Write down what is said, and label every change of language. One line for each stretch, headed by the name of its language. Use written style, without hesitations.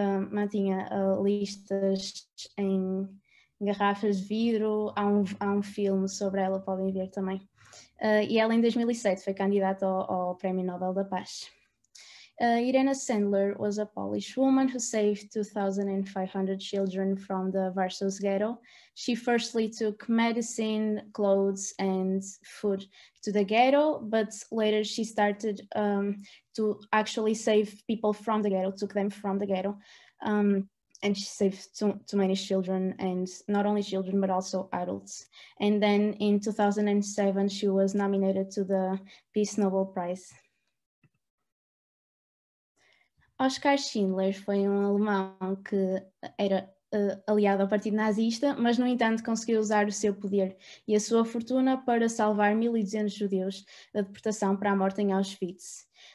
Portuguese: Mantinha listas em garrafas de vidro. Há um filme sobre ela, podem ver também. E ela em 2007 foi candidata ao Prémio Nobel da Paz.
English: Irena Sandler was a Polish woman who saved 2,500 children from the Warsaw Ghetto. She firstly took medicine, clothes and food to the ghetto, but later she started to actually save people from the ghetto, took them from the ghetto. And she saved too many children, and not only children, but also adults. And then in 2007, she was nominated to the Peace Nobel Prize.
Portuguese: Oskar Schindler foi alemão que era aliado ao Partido Nazista, mas no entanto conseguiu usar o seu poder e a sua fortuna para salvar 1.200 judeus da deportação para a morte em Auschwitz.